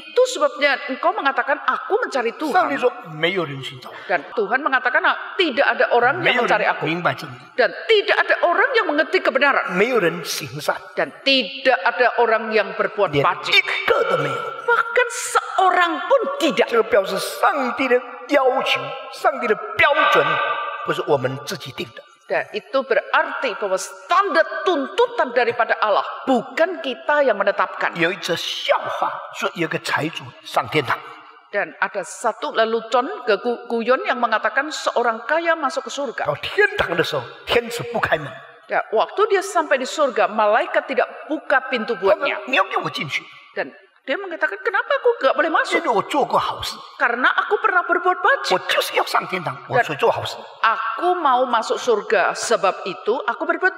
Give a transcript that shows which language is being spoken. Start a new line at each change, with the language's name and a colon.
Indonesian: Itu sebabnya engkau mengatakan aku mencari Tuhan.
Chinese: 上帝说没有人寻找.
Indonesian: Dan Tuhan mengatakan tidak ada orang yang mencari aku.
Chinese: 没有人明白真理.
Indonesian: Dan tidak ada orang yang mengerti kebenaran.
Chinese: 没有人行善.
Indonesian: Dan tidak ada orang yang berbuat pajik.
Chinese: 连一个都没有.
Indonesian: Bahkan seorang pun tidak.
Chinese: 这个表示上帝的要求, 上帝的标准, 不是我们自己定的.
Indonesian: Dan itu berarti bahwa standar tuntutan daripada Allah bukan kita yang menetapkan.
Chinese: 有一则笑话, 说有个财主, 上天堂.
Indonesian: Dan ada satu lelucon keguyon yang mengatakan seorang kaya masuk ke surga.
Chinese: 到天堂的时候, 天使不开门.
Indonesian: Dan waktu dia sampai di surga, malaikat tidak buka pintu buatnya.
Chinese: 他们没有给我进去.
Indonesian: Dan dia mengatakan, kenapa aku tidak boleh masuk? Karena aku pernah berbuat bajik. Aku mau masuk surga, sebab itu aku berbuat